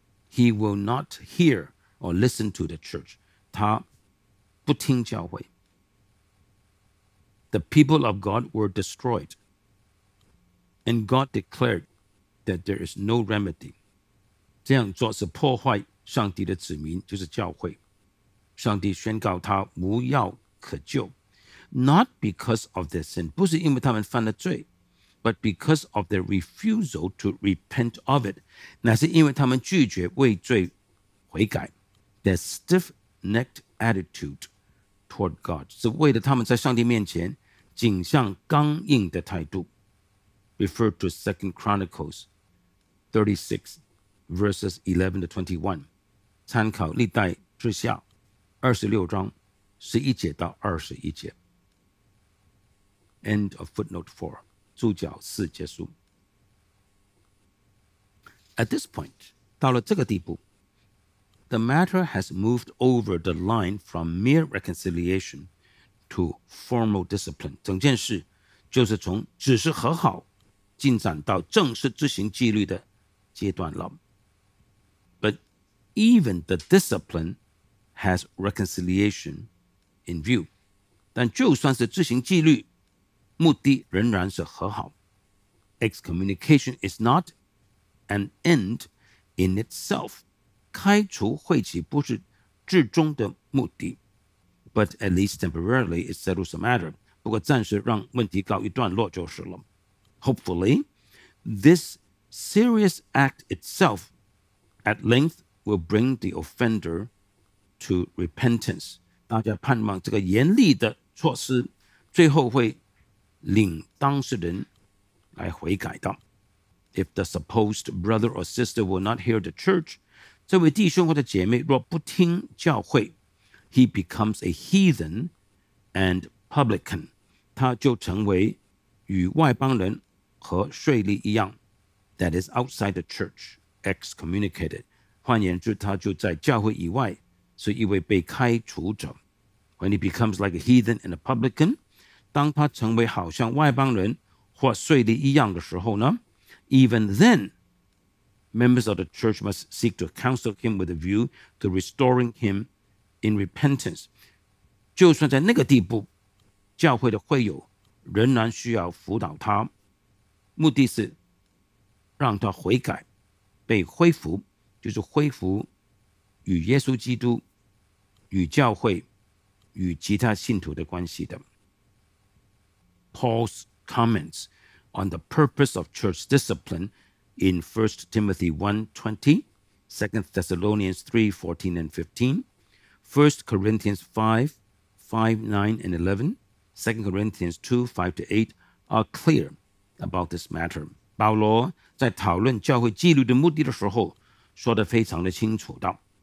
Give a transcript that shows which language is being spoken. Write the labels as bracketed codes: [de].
[en] He will not hear or listen to the church. [zh] 他不听教会。 [en] The people of God were destroyed, and God declared that there is no remedy. [zh] 这样做是破坏上帝的子民，就是教会。上帝宣告他无药可救。 [en] Not because of their sin, [zh] 不是因为他们犯了罪， [en] but because of their refusal to repent of it, [zh] 那是因为他们拒绝为罪悔改。 [en] Their stiff-necked attitude toward God, [zh] 是为了他们在上帝面前谨慎刚硬的态度。 [en] Refer to 2 Chronicles 36:11-21, [zh] 参考历代志下26:11-21. [en] End of footnote 4. [zh] 注脚4结束。 [en] At this point, [zh] 到了这个地步， [en] the matter has moved over the line from mere reconciliation to formal discipline. [zh] 整件事就是从只是和好进展到正式执行纪律的阶段了。 [en] But even the discipline has reconciliation in view. [zh] 但就算是执行纪律，目的仍然是和好。 [en] Excommunication is not an end in itself. [zh] 开除会籍不是至终的目的。 [en] But at least temporarily it settles the matter. [zh] 不过暂时让问题告一段落就是了。 [en] Hopefully, this serious act itself at length will bring the offender to repentance. [zh] 大家盼望这个严厉的措施最后会领当事人来悔改的。 [en] If the supposed brother or sister will not hear the church, [zh] 这位弟兄或者姐妹若不听教会， [en] he becomes a heathen and publican. [zh] 他就成为与外邦人和税吏一样。 [en] That is outside the church, excommunicated. [zh] 换言之，他就在教会以外，是一位被开除者。 [en] When he becomes like a heathen and a publican, [zh] 当他成为好像外邦人或税吏一样的时候呢， [en] Even then, members of the church must seek to counsel him with a view to restoring him in repentance. [zh] 就算在那个地步，教会的会友仍然需要辅导他，目的是让他悔改，被恢复，就是恢复与耶稣基督与教会与其他信徒的关系的。 [en] Paul's comments on the purpose of church discipline in 1 Timothy 1:20, 2 Thessalonians 3:14 and 15, 1 Corinthians 5:5, 9 and 11, 2 Corinthians 2:5 to 8 are clear about this matter. [zh] 保罗在讨论教会纪律的目的的时候说得非常的清楚的。